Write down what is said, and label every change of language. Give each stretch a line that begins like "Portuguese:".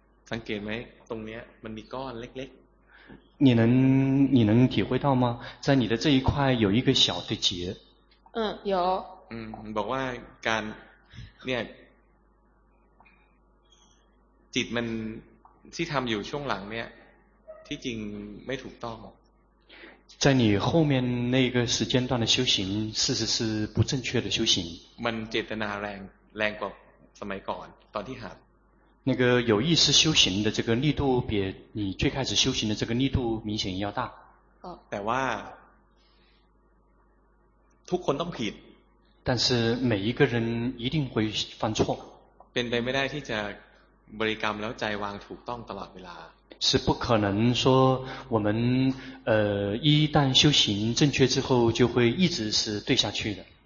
Thai: สังเกตไหมตรงนี้มันมีก้อนเล็กๆ
Chinese: 你能体会到吗在你的这一块有一个小的结有
Thai: บอกว่าการเนี่ยจิตมันที่ทำอยู่ช่วงหลังเนี่ยที่จริงไม่ถูกต้อง
Chinese: 在你后面那个时间段的修行事实是不正确的修行
Thai: มันเจตนาแรงกว่าสมัยก่อนตอนที่หัด นั่นก็
Chinese: 有意识修行的这个力度比你最开始修行的这个力度明显要大
Thai: แต่ว่าทุกคนต้องผิด
Chinese: 但是每一个人一定会犯错
Thai: เป็นไปไม่ได้ที่จะบริกรรมแล้วใจวางถูกต้องตลอดเวลา
Chinese: 是不可能说我们一旦修行正确之后就会一直是对下去的